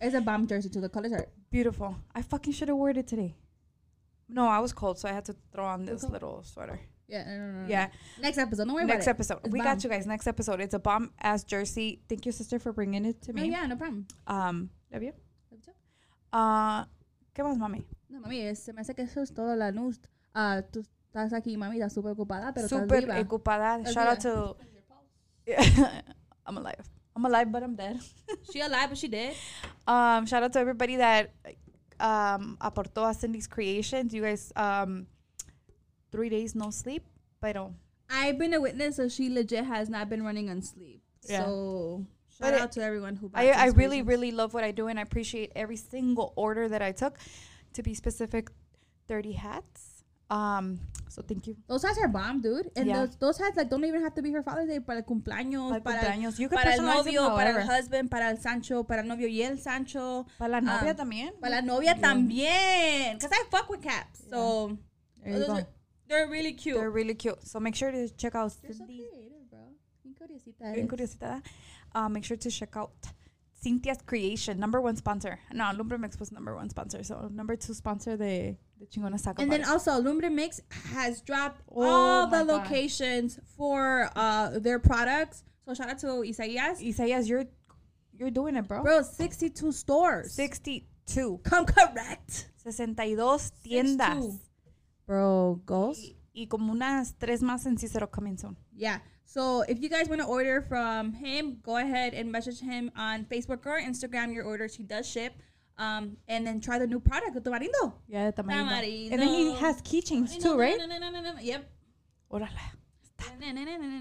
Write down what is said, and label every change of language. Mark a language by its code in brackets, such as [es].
[en] It's a bomb jersey too. The colors are beautiful. I fucking should have worn it today. No, I was cold, so I had to throw on this little sweater. Yeah. Yeah. Next episode. Don't worry next about episode. It. Next episode. We bomb. Got you guys. Next episode. It's a bomb ass jersey. Thank you, sister, for bringing it to me. Oh, yeah, no problem. Love you. Love you too. [es] ¿Qué más, mami? No, mami, se me hace que eso es todo la news. Tú estás aquí, mami, estás súper ocupada, pero super estás viva. [en] Ocupada. Shout out to. Yeah. I'm alive, but I'm dead. She alive, but she dead. Shout out to everybody that aportó a Cindy's creations. You guys. 3 days no sleep, but I've been a witness, so she legit has not been running on sleep. Yeah. So shout out to everyone who bought. I really, really love what I do, and I appreciate every single order that I took. To be specific, 30 hats. So thank you. Those hats are bomb, dude. And yeah, those hats like don't even have to be for Father's Day, [es] para el cumpleaños, [en] you can [es] para el novio, para el [en] husband, [es] para el Sancho, para el novio y el Sancho. Para la novia también. Para la novia también. [en] Because I fuck with caps. Yeah. So they're really cute. They're really cute. So make sure to check out Cindy. So creative, bro. Curiosita. Make sure to check out Cynthia's Creation, number one sponsor. No, Lumbre Mix was number one sponsor. So number two sponsor de Chingona Saco. And then also Lumbre Mix has dropped all the locations for their products. So shout out to Isaias. Isaias, you're doing it, bro. Bro, 62 stores. 62. Come correct. [es] 62 tiendas. 62. [en] Bro, goals. [es] Y como unas tres más en Cicero [en] coming soon. Yeah. So if you guys want to order from him, go ahead and message him on Facebook or Instagram your orders. He does ship. And then try the new product, el tamarindo. Yeah, el tamarindo. Tamarindo. And then he has keychains too, right? Yep. [es] Órale.